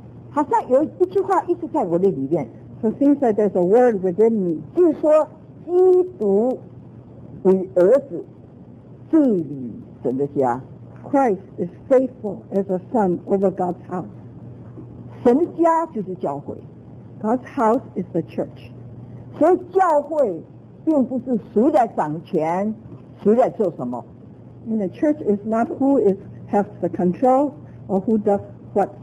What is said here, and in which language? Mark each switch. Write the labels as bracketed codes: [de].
[zh] 好像有一句话一直在我的里面 [en] So it seems that there's a word within me. [zh] 就是说基督为儿子治理神的家 [en] Christ is faithful as a son over God's house. [zh] 神家就是教会 [en] God's house is the church. [zh] 所以教会并不是谁在掌权谁在做什么 [en] And the church is not who is, has the control or who does what